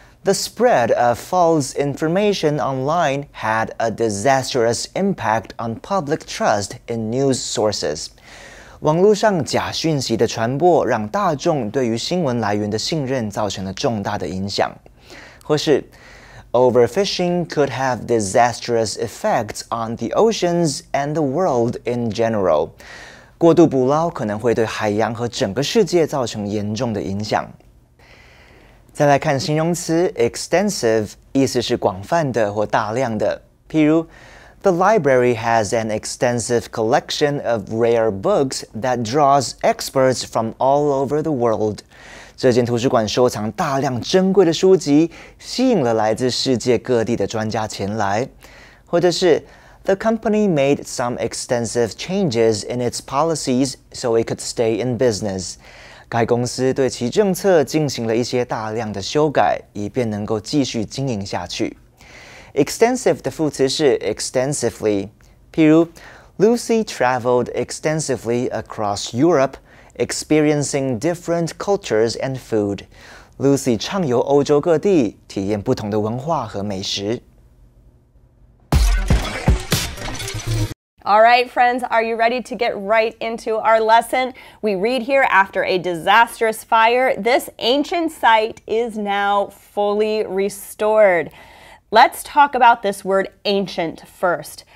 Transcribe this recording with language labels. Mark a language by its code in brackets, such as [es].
[en] The spread of false information online had a disastrous impact on public trust in news sources. [zh] 网络上假讯息的传播让大众对于新闻来源的信任造成了重大的影响。或是 [en] Overfishing could have disastrous effects on the oceans and the world in general. [zh] 过度捕捞可能会对海洋和整个世界造成严重的影响。再来看形容词 extensive, 意思是广泛的或大量的。譬如 [en] ,The library has an extensive collection of rare books that draws experts from all over the world. [zh] 这间图书馆收藏大量珍贵的书籍，吸引了来自世界各地的专家前来。或者是 [en] ,The company made some extensive changes in its policies so it could stay in business. [zh] 该公司对其政策进行了一些大量的修改，以便能够继续经营下去。 [en] Extensive [zh] 的副词是 [en] extensively， [zh] 譬如 [en] ，Lucy traveled extensively across Europe, experiencing different cultures and food. [zh] Lucy 畅游欧洲各地，体验不同的文化和美食。 [en] All right, friends, are you ready to get right into our lesson? We read here, after a disastrous fire, this ancient site is now fully restored. Let's talk about this word ancient first.